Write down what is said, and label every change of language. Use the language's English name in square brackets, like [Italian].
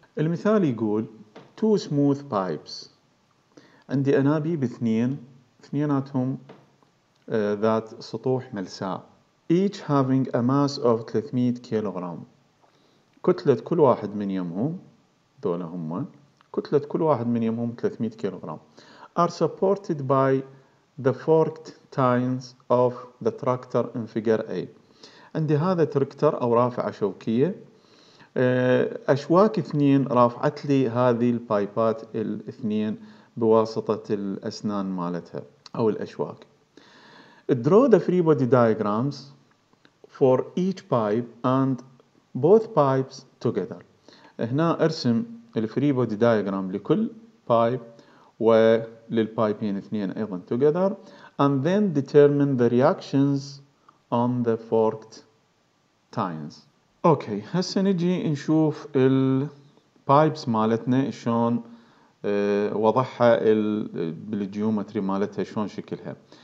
[Arabic] المثال يقول تو سموث بايبس، عندي أنابيب اثنيناتهم ذات سطوح ملساء، [English] each having a mass of 300 [Arabic] كيلوغرام، كتلة كل واحد من يمهم، ذولا هم كتلة كل واحد من يمهم 300 كيلوغرام، [English] are supported by the forked tines of the tractor in figure A. [Arabic] عندي هذا تركتر أو رافعة شوكية، أشواك اثنين رافعت لي هذه البايبات الاثنين بواسطة الأسنان مالتها أو الأشواك. [English] Draw the free body diagrams for each pipe and both pipes together. [Arabic] هنا ارسم الفري بودي دايجرام لكل بايب وللبايبين اثنين ايضا [English] together and then determine the reactions on the forked tines. [Arabic] اوكي، هسه نجي نشوف البايبس مالتنا شلون وضعها بالجيومتري مالتها شلون شكلها.